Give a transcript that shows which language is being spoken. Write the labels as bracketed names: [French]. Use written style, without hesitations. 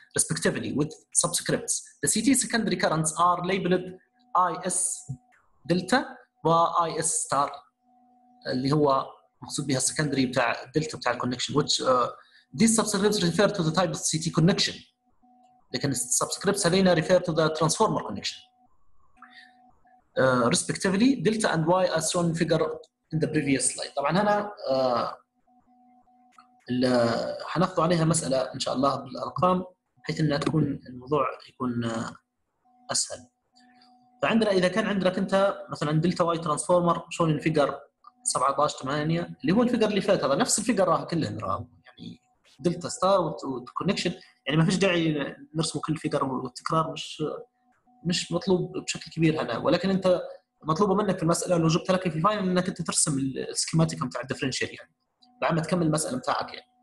[English] respectively with subscripts the C T secondary currents are labelled I S delta Y S star, [Arabic] اللي هو مقصود بها السكندري بتاع دلتا بتاع الكونكشن، [English] which these subscripts refer to the type of CT connection، لكن subscripts هذين refer to the transformer connection. Respectively delta and y as shown in figure in the previous slide. [Arabic] طبعا هنا حنقض عليها مسألة إن شاء الله بالأرقام حيث أنها تكون الموضوع يكون أسهل. فعندنا إذا كان عندك أنت مثلا [English] delta y transformer shown in figure 17-8 [Arabic] اللي هو الفيجر اللي فات، هذا نفس الفيجر راه كله نرام، يعني دلتا ستار والكونكشن، يعني ما فيش داعي نرسم كل فيجر والتكرار مش مطلوب بشكل كبير هنا، ولكن انت مطلوبه منك في المساله لو جبت لك في فاينل انك انت ترسم السكيماتيك بتاع الدفرنشال، يعني بعد ما تكمل المساله بتاعك.